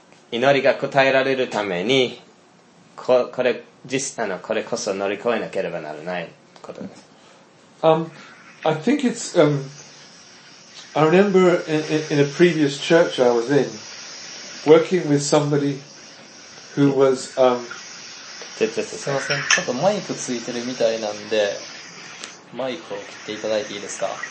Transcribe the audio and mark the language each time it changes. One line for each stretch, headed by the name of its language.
Japanese: 祈りが答えられるために、これこそ乗り越えなければならないことです。
English: I think it's, I remember in a previous church I was in, working with somebody who was,
Japanese: すいません、ちょっとマイクついてるみたいなんで、マイクを切っていただいていいですか？